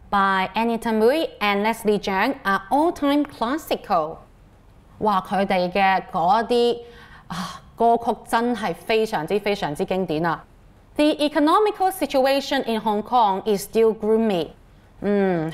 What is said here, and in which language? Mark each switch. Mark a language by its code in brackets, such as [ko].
[en] By Anita Mui and Leslie Jiang are all-time classical. [yue] 哇，佢哋嘅嗰啲歌曲真係非常之非常之經典啊。 [en] The economical situation in Hong Kong is still gloomy.